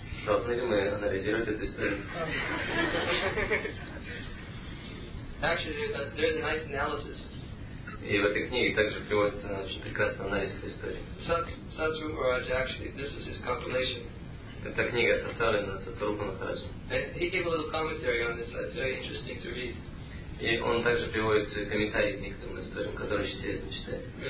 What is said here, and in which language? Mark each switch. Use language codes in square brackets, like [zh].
[ru] Должны ли мы анализировать эту историю? [en] Actually, there's a nice analysis. [ru] И в этой книге также приводится очень прекрасный анализ этой истории. [en] Satsuru Maharaj, actually, this is his compilation. [ru] Эта книга составлена Сатурупа Махараджа. [en] He gave a little commentary on this, it's very interesting to read. [ru] И он также приводит свои комментарии к некоторым историям, которые очень интересно читать.